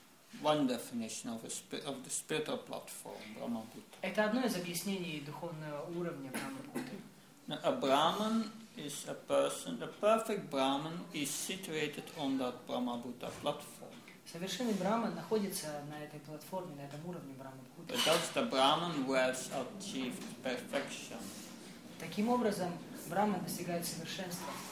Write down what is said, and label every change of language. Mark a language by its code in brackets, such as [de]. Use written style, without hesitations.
[en] This is one definition of the spiritual platform, Brahma-Bhuta. [ru] Это одно из объяснений духовного уровня Брахма-Бхуты. [en] A Brahman is a person, the perfect Brahman is situated on that Brahma-Bhuta platform. [ru] Совершенный Брахман находится на этой платформе, на этом уровне Брахма-Бхуты. [en] That's the Brahman who has achieved perfection. [ru] Таким образом, Брахман достигает совершенства.